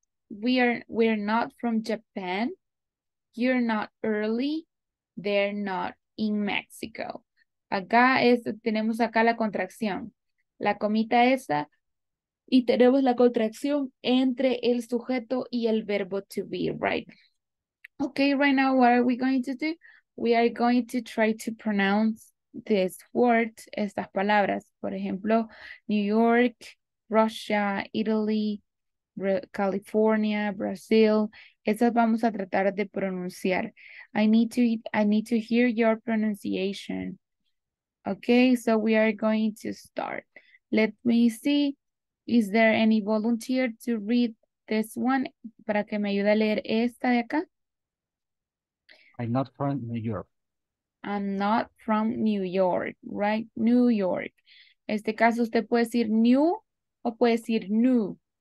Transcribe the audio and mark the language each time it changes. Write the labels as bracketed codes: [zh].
[en] We're not from Japan. You're not early. They're not in Mexico. [es] Acá tenemos acá la contracción. La comita esa, Y tenemos la contracción entre el sujeto y el verbo to be, right? [en] Okay, right now, what are we going to do? We are going to try to pronounce these words, [es] estas palabras. Por ejemplo, New York, Russia, Italy, California, Brazil. Esas vamos a tratar de pronunciar. [en] I need to hear your pronunciation. Okay, so we are going to start. Let me see. Is there any volunteer to read this one? [es] Para que me ayude a leer esta de acá. [en] I'm not from New York. I'm not from New York, right? New York. [es] En este caso, usted puede decir new o puede decir new.